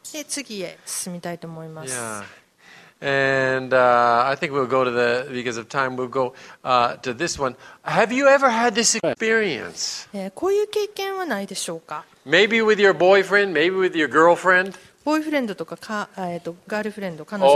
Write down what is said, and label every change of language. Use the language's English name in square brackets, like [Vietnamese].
[Japanese] で次へ進みたいと思います。 [English] yeahAnd I think we'll go to the, because of time, we'll go to this one. Have you ever had this experience? [Japanese] こういう経験はないでしょうか? [English] Maybe with your boyfriend, maybe with your girlfriend. [Japanese] ボーイフレンドとか、ガールフレンド、彼女と